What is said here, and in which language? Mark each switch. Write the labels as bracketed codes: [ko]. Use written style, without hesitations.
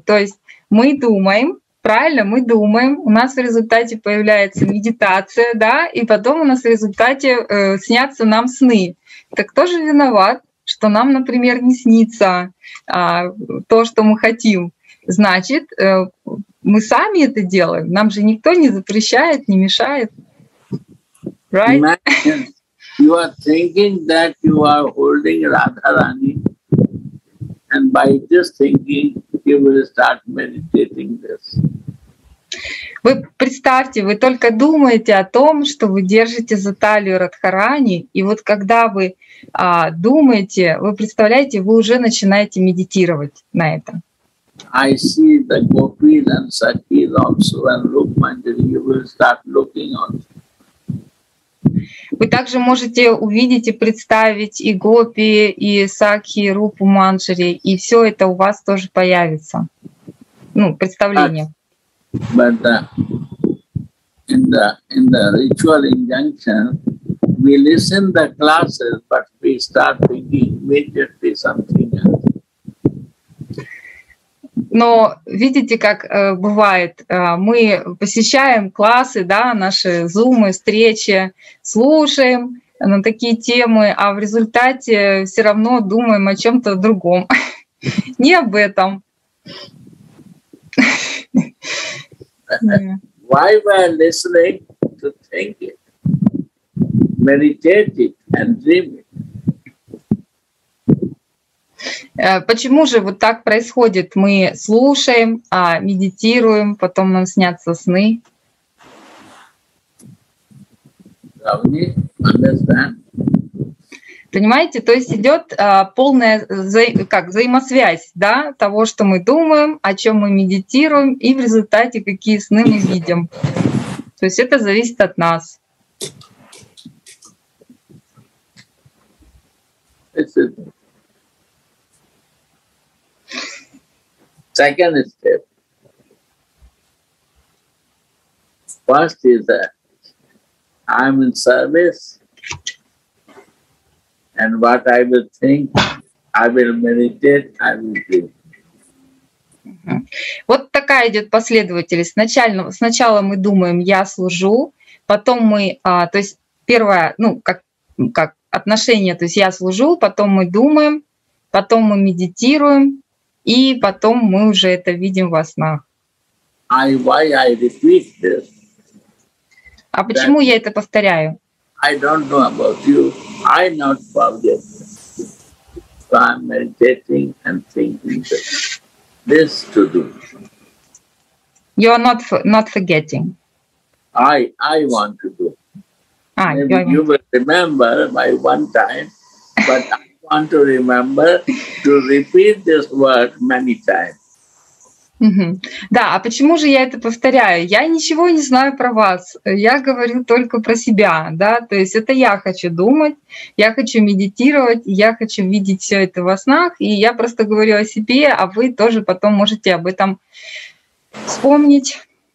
[ru] То есть мы думаем, правильно, мы думаем, у нас в результате появляется медитация, да, и потом у нас в результате снятся нам сны. Так кто же виноват, что нам, например, не снится то, что мы хотим? Значит, мы сами это делаем, нам же никто не запрещает, не мешает. [en] Right? Imagine you are thinking that you are holding Radharani, and by just thinking you will start meditating this. [ru] Вы представьте, вы только думаете о том, что вы держите за талию Радхарани, и вот когда вы думаете, вы представляете, вы уже начинаете медитировать на это. [en] I see the gopis and sakis also and Rukmanjari, you will start looking on. [ru] Вы также можете увидеть и представить и гопи, и сакхи, и рупу манджари, и все это у вас тоже появится. Ну, представление. [en] But in the ritual injunction, we listen the classes, but we start thinking immediately something else. [ru] Но видите, как бывает, мы посещаем классы, да, наши зумы, встречи, слушаем на такие темы, а в результате все равно думаем о чем-то другом, не об этом. [en] Why we are listening to think it, meditate it and dream it? [ru] Почему же вот так происходит? Мы слушаем, медитируем, потом нам снятся сны. Понимаете, то есть идет полная взаимосвязь, да, того, что мы думаем, о чем мы медитируем, и в результате какие сны мы видим. То есть это зависит от нас. [en] Second step. First is that I'm in service, and what I will think, I will meditate, I will do. [ru] Вот такая идет последовательность. Сначала мы думаем, я служу, потом мы, то есть первое, ну как отношение, то есть я служу, потом мы думаем, потом мы медитируем. И потом мы уже это видим во снах. [en] Why I repeat this? [ru] А почему я это повторяю? [en] I don't know about you. I not forget. So I'm meditating and thinking this to do. You are not forgetting. I want to do. You will remember my one time, but. Want to remember to repeat this word many times. [ru] Да, а почему же я это повторяю? Я ничего не знаю про вас. Я говорю только про себя, да. То есть это я хочу думать, я хочу медитировать, я хочу видеть все это во снах, и я просто говорю о себе, а вы тоже потом можете об этом вспомнить.